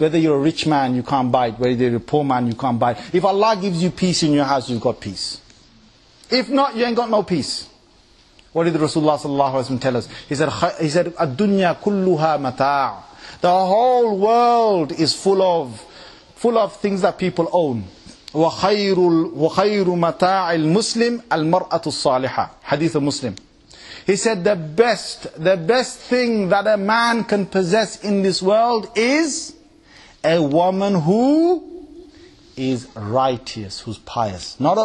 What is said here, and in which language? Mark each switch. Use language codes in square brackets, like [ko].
[en] Whether you're a rich man, you can't buy it. Whether you're a poor man, you can't buy it. If Allah gives you peace in your house, you've got peace. If not, you ain't got no peace. What did Rasulullah sallallahu alaihi wasallam tell us? He said, [ar] "Ad-dunya kulluha mata'." [en] The whole world is full of things that people own. [ar] وَخَيْرُ مَتَاعِ الْمُسْلِمِ الْمَرْأَةُ الصَّالِحَةِ [en] Hadith of Muslim. He said the best thing that a man can possess in this world is a woman who is righteous, who's pious.